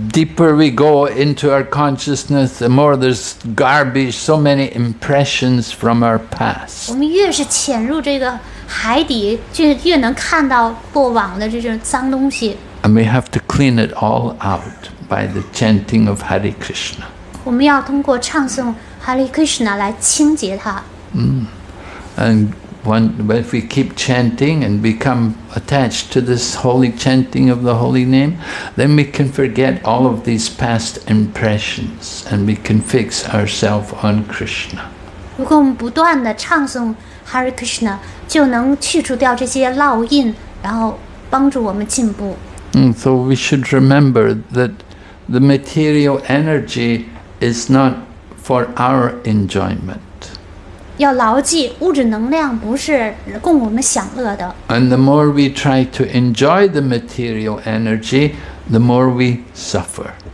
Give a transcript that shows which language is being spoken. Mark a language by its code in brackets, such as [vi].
[en] deeper we go into our consciousness, the more there's garbage, so many impressions from our past. [zh] 我们越是潜入这个海底，就越能看到过往的这种脏东西。 [en] And we have to clean it all out by the chanting of Hare Krishna. [zh] 我们要通过唱诵 Hare Krishna 来清洁它。 [en] But if we keep chanting and become attached to this holy chanting of the holy name, then we can forget all of these past impressions and we can fix ourselves on Krishna. [zh] 如果我们不断地唱诵 Hare Krishna, 就能去除掉这些烙印，然后帮助我们进步。 [en] So we should remember that the material energy is not for our enjoyment. [zh] 要牢记，物质能量不是供我们享乐的。 [en] And the more we try to enjoy the material energy, the more we suffer.